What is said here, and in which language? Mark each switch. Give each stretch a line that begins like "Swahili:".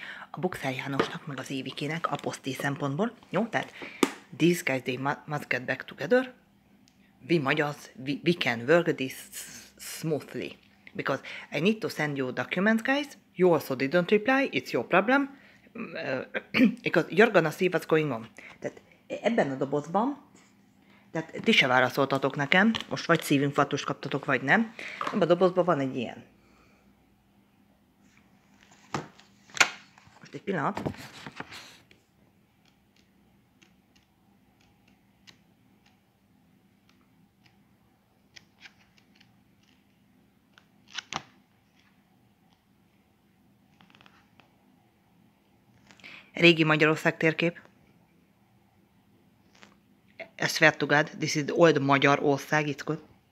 Hungarian: a Bukszár Jánosnak, meg az Évikének apostíl szempontból, jó?
English: Tehát, these guys, they must get back together. We magyars, we can work this smoothly. Because I need to send you documents, guys. You also didn't reply. It's your problem. Because you're gonna see what's going on.
Hungarian: Tehát, ebben a dobozban, tehát ti se válaszoltatok nekem, most vagy szívinfarktust kaptatok, vagy nem. Ebben a dobozban van egy ilyen. Most egy pillanat. Régi Magyarország térkép.
English: I swear to God, this is the old Magyarország, it's good.